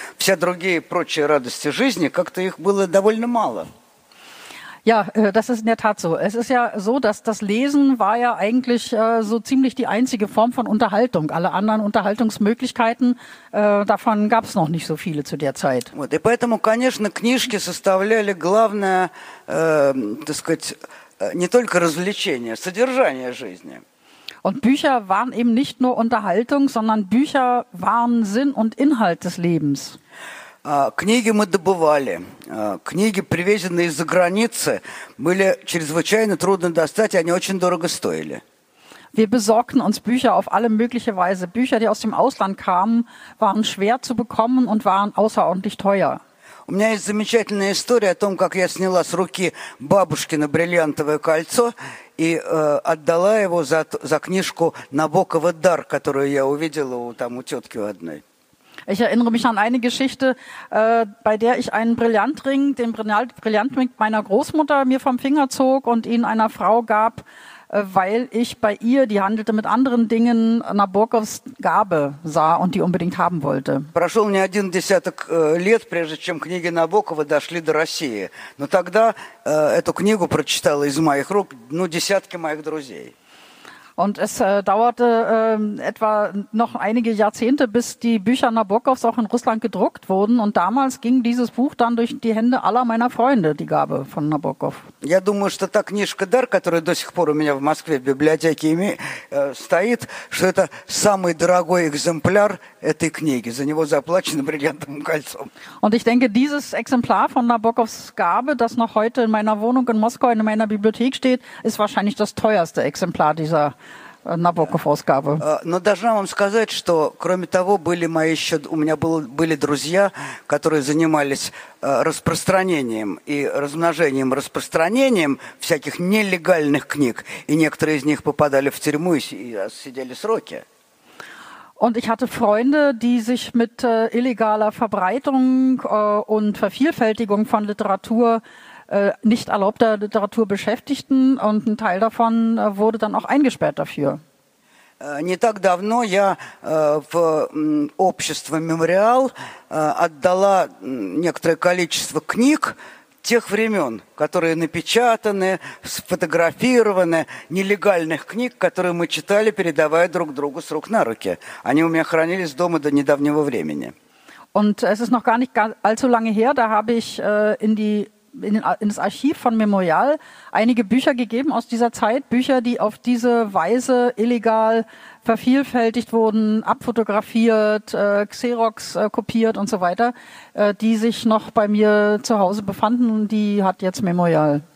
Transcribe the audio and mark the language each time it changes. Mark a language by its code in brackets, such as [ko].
[ru] Все другие прочие радости жизни, как-то их было довольно мало. [de] Ja, das ist in der Tat so. Es ist ja so, dass das Lesen war ja eigentlich so ziemlich die einzige Form von Unterhaltung. Alle anderen Unterhaltungsmöglichkeiten, davon gab es noch nicht so viele zu der Zeit. [ru] Вот, и поэтому, конечно, книжки составляли главное, так сказать, не только развлечение, содержание жизни. [de] Und Bücher waren eben nicht nur Unterhaltung, sondern Bücher waren Sinn und Inhalt des Lebens. [ru] Книги мы добывали. Книги, привезенные из-за границы, были чрезвычайно трудно достать, и они очень дорого стоили. [de] Wir besorgten uns Bücher auf alle mögliche Weise. Bücher, die aus dem Ausland kamen, waren schwer zu bekommen und waren außerordentlich teuer. [ru] У меня есть замечательная история о том, как я сняла с руки бабушкино бриллиантовое кольцо и отдала его за книжку Набокова «Дар», которую я увидела там у тетки одной. [de] Ich erinnere mich an eine Geschichte, bei der ich einen Brillantring, den Brillantring meiner Großmutter mir vom Finger zog und ihn einer Frau gab, weil ich bei ihr, die handelte mit anderen Dingen, Nabokovs Gabe sah und die unbedingt haben wollte. [ru] Прошел не один десяток лет, прежде чем книги Набокова дошли до России. Но тогда эту книгу прочитала из моих рук десятки моих друзей. [de] Und es dauerte etwa noch einige Jahrzehnte, bis die Bücher Nabokovs auch in Russland gedruckt wurden. Und damals ging dieses Buch dann durch die Hände aller meiner Freunde, die Gabe von Nabokov. [ru] Я думаю, что та книжка «Дар», которая до сих пор у меня в Москве в библиотеке стоит, что это самый дорогой экземпляр этой книги. За него заплачено бриллиантовым кольцом. [de] Und ich denke, dieses Exemplar von Nabokovs Gabe, das noch heute in meiner Wohnung in Moskau in meiner Bibliothek steht, ist wahrscheinlich das teuerste Exemplar dieser Nabokov-Ausgabe. [ru] Но должна вам сказать, что кроме того, были мои еще, у меня были друзья, которые занимались распространением и размножением, распространением всяких нелегальных книг, и некоторые из них попадали в тюрьму и сидели сроки. [de] Und ich hatte Freunde, die sich mit illegaler Verbreitung und Vervielfältigung von Literatur, nicht erlaubter Literatur beschäftigten. Und ein Teil davon wurde dann auch eingesperrt dafür. [ru] Не так давно я в общество «Мемориал» отдала некоторое количество книг тех времен, которые напечатаны, сфотографированы, нелегальных книг, которые мы читали, передавая друг другу с рук на руки. Они у меня хранились дома до недавнего времени. [de] Und es ist noch gar nicht allzu lange her, da habe ich in das Archiv von Memorial einige Bücher gegeben aus dieser Zeit, Bücher, die auf diese Weise illegal vervielfältigt wurden, abfotografiert, Xerox kopiert und so weiter, die sich noch bei mir zu Hause befanden und die hat jetzt Memorial.